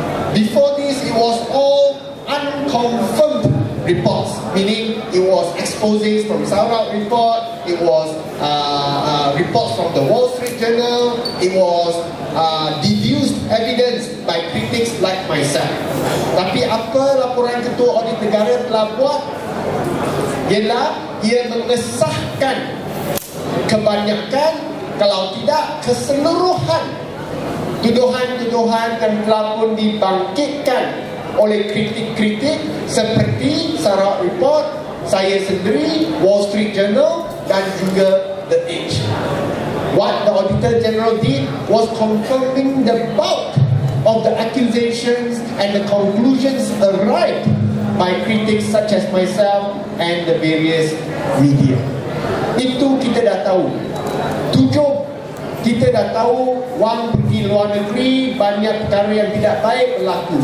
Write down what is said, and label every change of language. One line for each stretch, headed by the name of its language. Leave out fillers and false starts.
English: Before this, it was all unconfirmed reports, meaning it was exposes from Sarawak Report, it was reports from the Wall Street Journal, it was deduced evidence by critics like myself.
Malay: Tapi apa laporan Ketua Audit Negara telah buat ialah ia mengesahkan kebanyakan, kalau tidak keseluruhan tuduhan-tuduhan yang telah pun dibangkitkan oleh kritik-kritik seperti Sarawak Report, saya sendiri, Wall Street Journal dan juga The Age.
English: What the Auditor General did was confirming the bulk of the accusations and the conclusions arrived by critics such as myself and the various media.
Malay: Itu kita dah tahu. Tujuh, kita dah tahu wang pergi luar negeri, banyak perkara yang tidak baik berlaku.